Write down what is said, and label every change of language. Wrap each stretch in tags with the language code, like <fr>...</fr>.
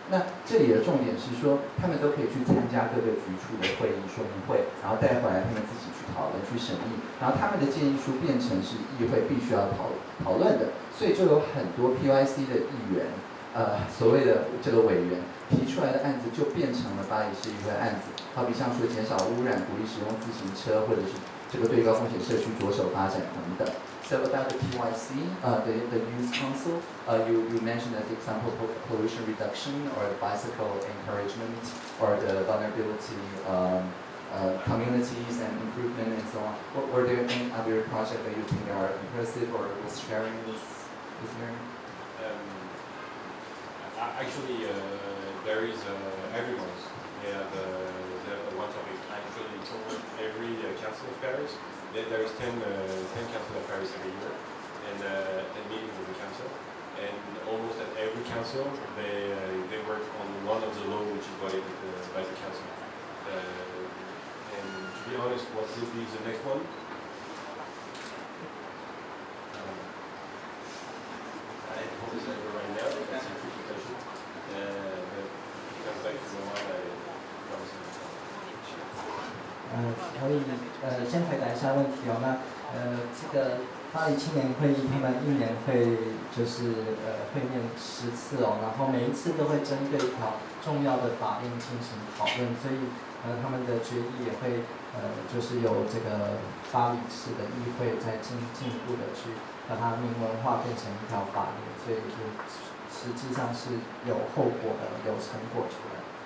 <zh>那这里的重点是说，他们都可以去参加各个局处的会议说明会，然后带回来他们自己去讨论去审议，然后他们的建议书变成是议会必须要讨论的。所以就有很多 PYC 的议员所谓的这个委员提出来的案子就变成了巴黎市议会案子，好比像说减少污染，鼓励使用自行车，或者是这个对高风险社区着手发展等等。</zh> <en>So about the PYC, the Youth Council, you mentioned that, example, pollution reduction or bicycle encouragement or the vulnerability communities and improvement and so on. Were there any other projects that you think are impressive or was sharing with me? There is everyone's. Yeah, the one topic actually in every council of Paris. There is 10 council of Paris every year, and 10 meetings of the council. And almost at every council, they work on one of the laws which is voted by the council. And to be honest, what will be the next one? I don't remember right now, but that's a tricky question. But comes back to the one I promised.</en> <zh>先回答一下问题哦。那这个巴黎青年会议，他们一年会就是会面10次哦，然后每一次都会针对一条重要的法令进行讨论，所以他们的决议也会就是由这个巴黎市的议会在进一步的去把它明文化变成一条法律，所以就实际上是有后果的，有成果出来。</zh>